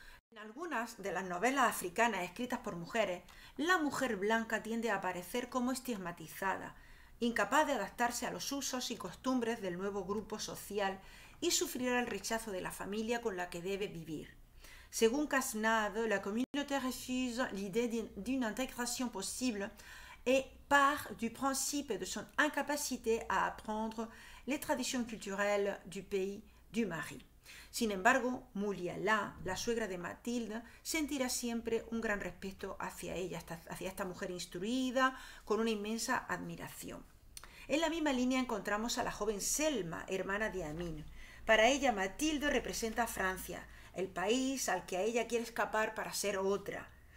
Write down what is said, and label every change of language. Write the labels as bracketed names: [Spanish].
[Spanish] En algunas de las novelas africanas escritas por mujeres, la mujer blanca tiende a aparecer como estigmatizada, incapaz de adaptarse a los usos y costumbres del nuevo grupo social y sufrirá el rechazo de la familia con la que debe vivir. Según [French] Casnade, la communauté refuse l'idée d'une intégration possible et part du principe de son incapacité à apprendre les traditions culturelles du pays du mari. [Spanish] Sin embargo, Mulialá, la suegra de Mathilde, sentirá siempre un gran respeto hacia ella, hacia esta mujer instruida, con una inmensa admiración. En la misma línea encontramos a la joven Selma, hermana de Amin. Para ella, Mathilde representa a Francia, el país al que a ella quiere escapar para ser otra.